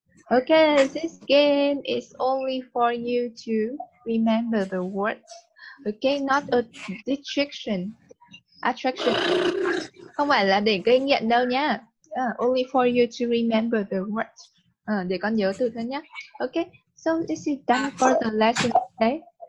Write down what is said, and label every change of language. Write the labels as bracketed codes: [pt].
[en] Okay, this game is only for you to remember the words. Okay, not a distraction. Attraction. [vi] Không phải là để gây nghiện đâu nhá. [en] Only for you to remember the words. [vi] Để con nhớ từ thôi nhá. [en] Okay, so this is done for the lesson today.